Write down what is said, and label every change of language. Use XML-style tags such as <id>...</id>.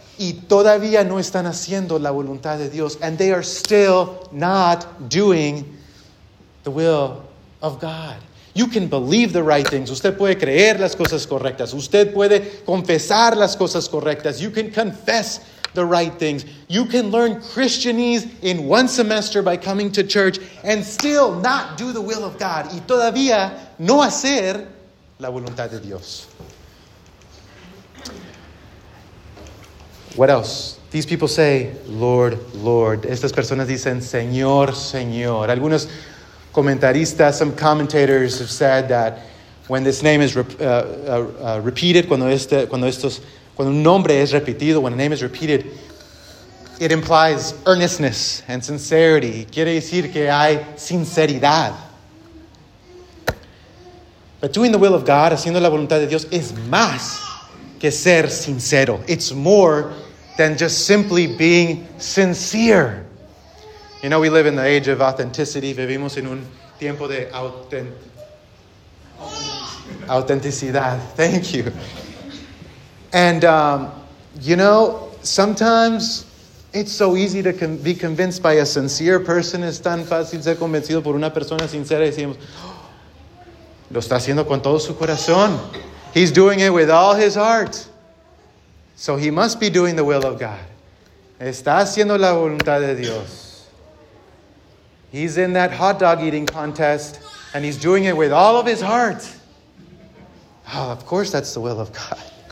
<es>Y todavía no están haciendo la voluntad de Dios.</es> <en>And they are still not doing the will of God. You can believe the right things.</en> <es>Usted puede creer las cosas correctas. Usted puede confesar las cosas correctas.</es> <en>You can confess the right things. You can learn Christianese in one semester by coming to church and still not do the will of God.</en> <es>Y todavía no hacer la voluntad de Dios.</es> <en>What else? These people say, Lord, Lord.</en> <es>Estas personas dicen, Señor, Señor. Algunos comentaristas,</es> <en>some commentators have said that when this name is repeated,</en> <es>cuando un nombre es repetido,</es> <en>when a name is repeated, it implies earnestness and sincerity.</en> <es>Quiere decir que hay sinceridad.</es> <en>But doing the will of God,</en> <es>haciendo la voluntad de Dios, es más que ser sincero.</es> <en>It's more than just simply being sincere. You know, we live in the age of authenticity.</en> <es>Vivimos en un tiempo de autenticidad.</es> <en>Thank you. And, you know, sometimes it's so easy to be convinced by a sincere person.</en> <es>Es tan fácil ser convencido por una persona sincera. Decimos, lo está haciendo con todo su corazón.</es> <en>He's doing it with all his heart. So he must be doing the will of God.</en> <es>Está haciendo la voluntad de Dios.</es> <en>He's in that hot dog eating contest, and he's doing it with all of his heart. Oh, of course that's the will of God.</en>